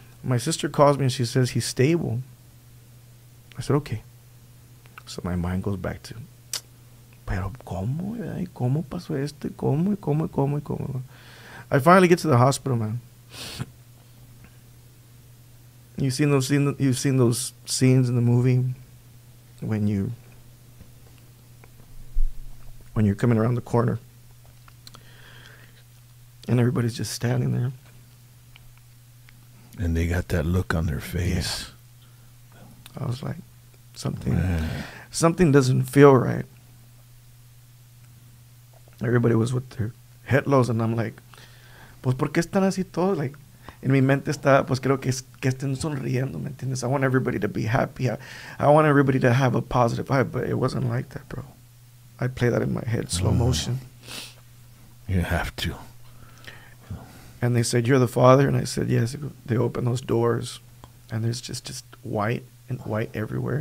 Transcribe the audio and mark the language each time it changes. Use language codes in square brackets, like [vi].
[en] my sister calls me and she says he's stable. I said, okay. So my mind goes back to, [es] pero como, y como pasó este, como, y como, y como, y como. [en] I finally get to the hospital, man. You've seen those scenes in the movie when you're coming around the corner and everybody's just standing there. And they got that look on their face. Yeah. I was like, something doesn't feel right. Everybody was with their head lows, and I'm like, [es] pues por qué están así todos? Like, en mi mente está, pues creo que estén sonriendo, ¿me entiendes? [en] I want everybody to be happy. I want everybody to have a positive vibe, but it wasn't like that, bro. I play that in my head, slow motion. You have to. And they said, you're the father? And I said, yes. They opened those doors, and there's just white and white everywhere.